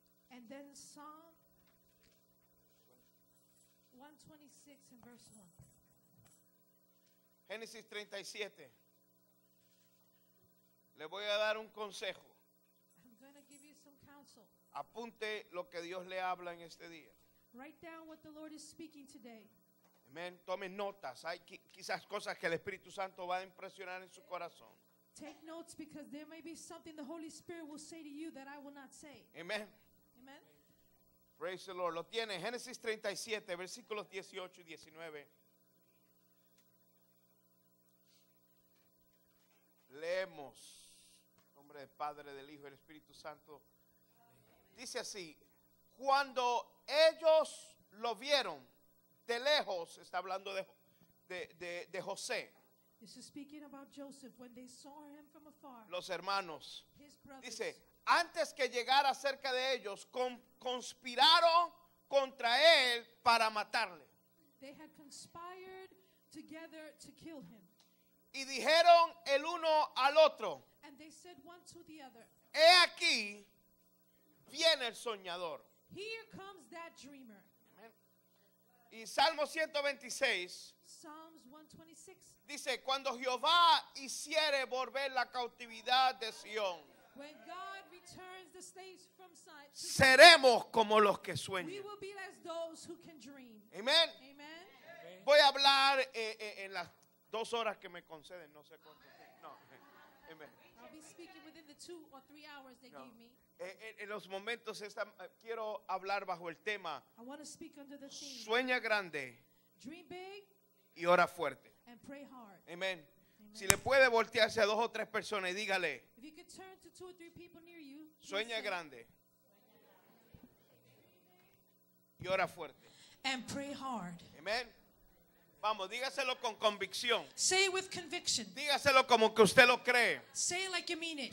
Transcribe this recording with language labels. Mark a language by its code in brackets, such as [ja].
[en] And then Psalm 126 and verse 1. [es] Génesis 37. Le voy a dar un consejo. [en] I'm going to give you some counsel. [es] Apunte lo que Dios le habla en este día. [en] Write down what the Lord is speaking today. [es] Amen. Tome notas. Hay quizás cosas que el Espíritu Santo va a impresionar en su corazón. [en] Take notes because there may be something the Holy Spirit will say to you that I will not say. Amen. Amen. Praise the Lord. [es] Lo tiene. Génesis 37, versículos 18 y 19. Leemos. En nombre del Padre, del Hijo y del Espíritu Santo. Dice así: cuando ellos lo vieron de lejos, está hablando de José. [en] This is speaking about Joseph, when they saw him from afar, [es] los hermanos. [en] His brothers, [es] dice, antes que llegara cerca de ellos, conspiraron contra él para matarle. [en] They had conspired together to kill him. [es] Y dijeron el uno al otro, [en] and they said one to the other, [es] he aquí, viene el soñador. [en] Here comes that dreamer. [es] Amen. Y Salmo 126, [en] Psalms 126 [es] dice, cuando Jehová hiciere volver la cautividad de Sion, [en] when God returns the slaves from Sion, [es] seremos como los que sueñan. [en] We will be as those who can dream. Amen. Amen. [es] Voy a hablar en las dos horas que me conceden, no sé cuánto. No. Amen. [en] I'll be speaking within the two or three hours they gave me. [es] En los momentos esta, quiero hablar bajo el tema, [en] I want to speak under the theme, [es] sueña grande, [en] dream big, [es] y ora fuerte. [en] And pray hard. Amen. Amen. [es] Si le puede voltearse a dos o tres personas y dígale, [en] if you could turn to two or three people near you, [es] sueña grande, y ora fuerte. [en] And pray hard. [es] Amen. Vamos, dígaselo con convicción. [en] Say it with conviction. [es] Dígaselo como que usted lo cree. [en] Say it like you mean it.